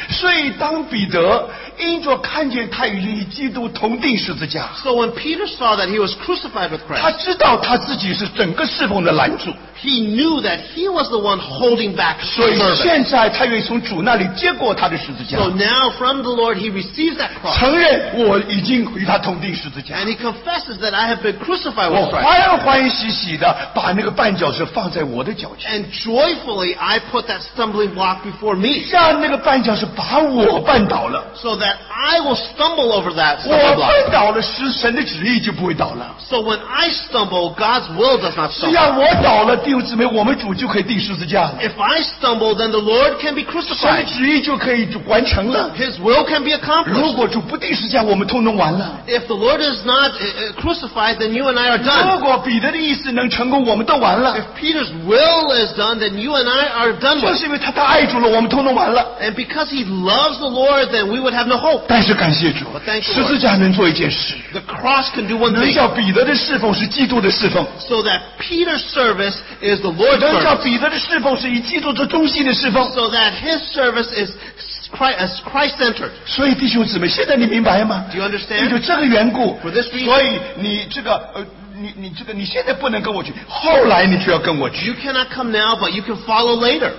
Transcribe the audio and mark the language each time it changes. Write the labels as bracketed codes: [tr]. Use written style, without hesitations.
[zh] 所以当彼得因着看见他与基督同钉十字架。 [en] So when Peter saw that he was crucified with Christ. [zh] 他知道他自己是整个侍奉的拦阻。 [en] He knew that he was the one holding back the servant. [zh] 所以现在他愿意从主那里接过他的十字架。 [en] So now from the Lord he receives that cross. [zh] 承认我已经与他同钉十字架。 [en] And he confesses that I have been crucified with Christ. [zh] 我欢喜喜的把那个绊脚石放在我的脚前。 [en] And joyfully I put that stumbling block before me. [zh] 让那个绊脚石把我绊倒了。 [en] So that I will stumble over that stumbling block. [zh] 我绊倒了，使神的旨意就不会倒了。 [en] So when I stumble, God's will does not stumble. [zh] 让我倒了，弟兄姊妹，我们主就可以钉十字架了。 [en] If I stumble, then the Lord can be crucified. [zh] 神的旨意就可以完成了。 [en] His will can be accomplished. [zh] 如果主不钉十字架，我们通通完了。 [en] If the Lord is not crucified, then you and I are done. [zh] 如果彼得的意思能成功，我们都完了。 [en] If Peter's will is done, then you and I are done. [zh] 就是因为他爱主了，我们通通完了。 [en] And because he loves the Lord, then we would have no hope. [zh] 但是感谢主， [en] But thank you, Lord. [zh] 十字架能做一件事。 [en] The cross can do one thing. [zh] 能叫彼得的侍奉是基督的侍奉。 [en] So that Peter's service is the Lord's service. [zh] 能叫彼得的侍奉是以基督的中心的侍奉。 [en] So that his service is Christ-centered. [zh] 所以弟兄姊妹，现在你明白吗？ [en] Do you understand? [zh] 因为这个缘故， [en] For this reason, [zh] 所以你这个你现在不能跟我去，后来你就要跟我去。 [en] You cannot come now, but you can follow later.